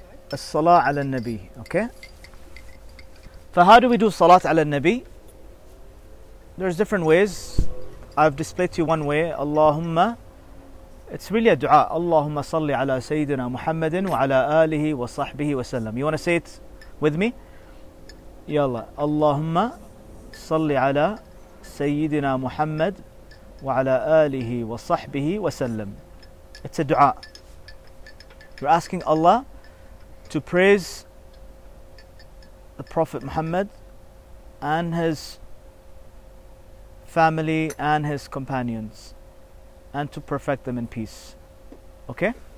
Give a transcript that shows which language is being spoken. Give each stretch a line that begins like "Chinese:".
English: As-salah ala Nabi, okay? فهو do we do صلاة على النبي؟ There's different ways. I've displayed to you one way. اللهم It's really a دعاء.
Arabic: اللهم صل على سيدنا محمد وعلى آله وصحبه وسلم.
English: You want to say it with me?
Arabic: يلا. اللهم صل على سيدنا محمد وعلى آله وصحبه وسلم.
English: It's a دعاء. You're asking Allah to praise the Prophet Muhammad and his family and his companions and to perfect them in peace. Okay?